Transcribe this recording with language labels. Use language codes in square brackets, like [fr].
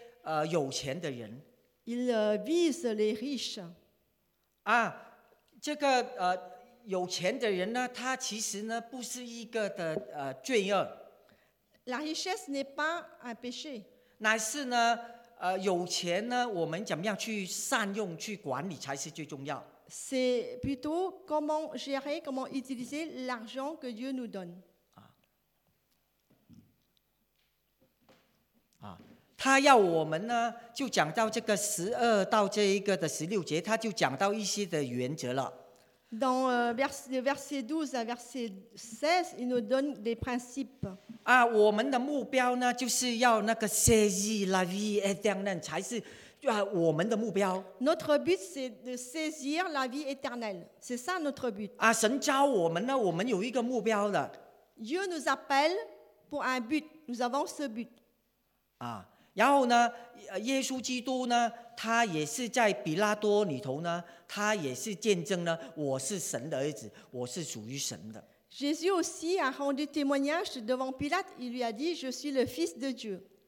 [zh] 他就讲到呢，他就针对一些有钱的人 [fr] ，il vise les riches [zh] 啊，这个有钱的人呢，他其实呢不是一个的罪恶 [fr] ，la richesse n'est pas un péché， [zh] 乃是呢，有钱呢，我们怎么样去善用、去管理才是最重要 [fr] ，c'est plutôt comment gérer, comment utiliser l'argent que Dieu nous donne。 [zh] 他要我们呢，就讲到这个十二到这一个的十六节，他就讲到一些的原则了。Dans [fr] verset 12 à verset 16, il nous donne des principes. [zh] 啊，我们的目标呢，就是要那个 [fr] saisir la vie éternelle [zh] 才是，我们的目标。Notre [fr] but c'est de saisir la vie éternelle. C'est ça notre but. [zh] 啊，神召我们呢，我们有一个目标的。Dieu [fr] nous appelle pour un but. Nous avons ce but. 啊。 [zh] 然后呢，耶稣基督呢，他也是在比拉多里头呢，他也是见证呢，我是神的儿子，我是属于神的。 [fr] Jésus aussi a rendu témoignage devant Pilate, il lui a dit, je suis le fils de Dieu.